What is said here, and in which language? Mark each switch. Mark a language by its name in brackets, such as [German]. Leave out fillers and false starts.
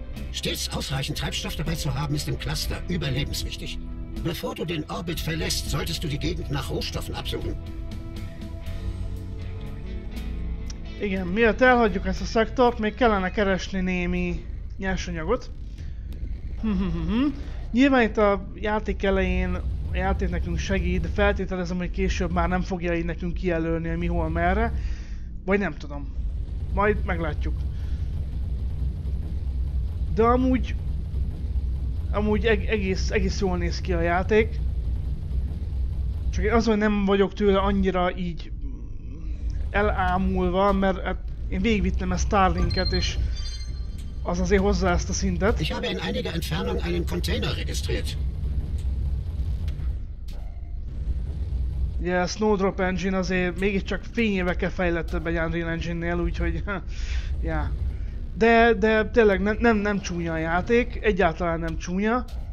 [German] Stets ausreichend Treibstoff dabei zu haben, ist im Cluster überlebenswichtig. Bevor du den Orbit verlässt, solltest du die Gegend nach Rohstoffen absuchen. [Hungarian] Igen, miért elhagyjuk ezt a szektort, még kellene keresni némi nyersanyagot. Nyilván itt a játék elején a játék nekünk segít, de feltételezem, hogy később már nem fogja így nekünk kijelölni, hogy mi hol merre. Vagy nem tudom. Majd meglátjuk. De amúgy egész jól néz ki a játék. Csak az, hogy nem vagyok tőle annyira így elámulva, mert én végigvittem ezt Starlinket, és az azért hozzá ezt a szintet. [German] Ich habe in einiger Entfernung einen Container registriert. [Hungarian] Ugye a Snowdrop Engine azért mégiscsak fényévekkel fejlettebb egy Unreal Engine-nél, úgyhogy... ja. De tényleg nem csúnya a játék, egyáltalán nem csúnya.